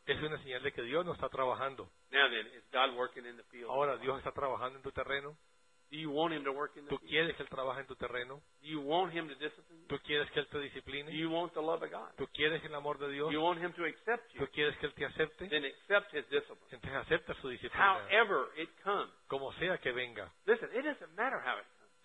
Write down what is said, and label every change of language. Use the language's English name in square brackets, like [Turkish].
[Spanish] Es una señal de que Dios no está trabajando. [English] Now then, is God working in the field? [Spanish] Ahora Dios está trabajando en tu terreno. [English] Do you want him to work in the [Spanish] ¿Tú quieres que él trabaje en tu terreno? [English] Do you want him to discipline you? [Spanish] ¿Tú quieres que él te discipline? [English] Do you want the love of God? [Spanish] ¿Tú quieres el amor de Dios? [English] Do you want him to accept you? [Spanish] ¿Tú quieres que él te acepte? [English] Then accept his discipline. [Spanish] Entonces acepta su disciplina. [English] However it comes. [Spanish] Como sea que venga. [English] Listen, it doesn't matter how it comes.